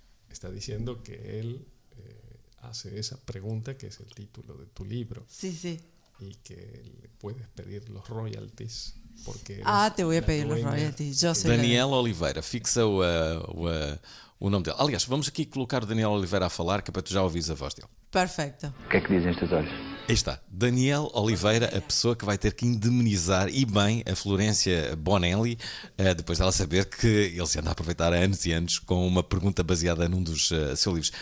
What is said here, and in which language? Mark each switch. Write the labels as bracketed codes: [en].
[pt] Está dizendo que ele [es] hace [pt] essa pergunta que é o título de tu livro. Sim, sim. [es] Y que puedes pedir los royalties porque te voy a pedir los royalties. Yo soy [pt] Daniel Oliveira, fixa o nome dele. Aliás, vamos aqui colocar o Daniel Oliveira a falar, que é para tu já ouvires a voz dele. Perfeito. O que é que dizem estes olhos? Aí está, Daniel Oliveira, a pessoa que vai ter que indemnizar e bem a Florencia Bonelli, depois dela saber que ele se anda a aproveitar há anos e anos com uma pergunta baseada num dos seus livros.